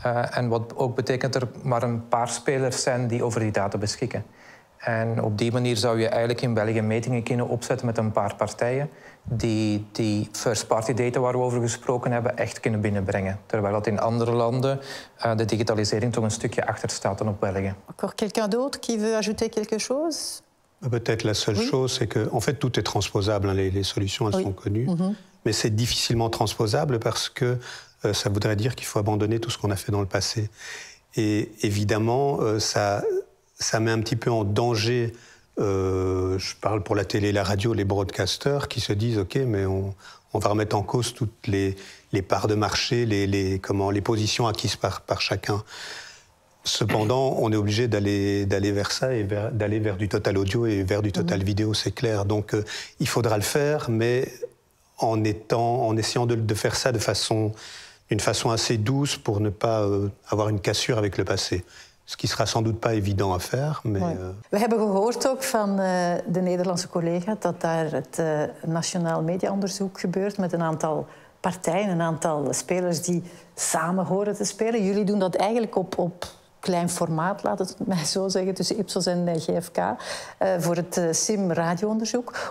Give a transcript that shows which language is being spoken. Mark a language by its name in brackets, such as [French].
[Dutch] En wat ook betekent er maar een paar spelers zijn die over die data beschikken. En op die manier zou je eigenlijk in België metingen kunnen opzetten met een paar partijen die die first-party data waar we over gesproken hebben echt kunnen binnenbrengen. Terwijl dat in andere landen de digitalisering toch een stukje achter staat dan op België. [French] Encore quelqu'un d'autre qui veut ajouter quelque chose? Peut-être la seule chose, c'est que en fait tout est transposable, les solutions elles sont connues, mais c'est difficilement transposable parce que ça voudrait dire qu'il faut abandonner tout ce qu'on a fait dans le passé. Et évidemment, ça met un petit peu en danger, je parle pour la télé, la radio, les broadcasters qui se disent « Ok, mais on va remettre en cause toutes les parts de marché, les positions acquises par chacun. » Cependant, on est obligé d'aller vers ça et d'aller vers du total audio et vers du total vidéo, c'est clair. Donc, il faudra le faire, mais en essayant de faire ça d'une façon assez douce pour ne pas avoir une cassure avec le passé. Ce qui sera sans doute pas évident à faire, mais... Oui. [Dutch] We hebben gehoord ook van de Nederlandse collega dat daar het nationaal mediaonderzoek gebeurt met een aantal partijen, een aantal spelers die samen horen te spelen. Jullie doen dat eigenlijk op klein formaat, laat het mij zo zeggen, tussen Ipsos en GFK, voor het SIM-radioonderzoek.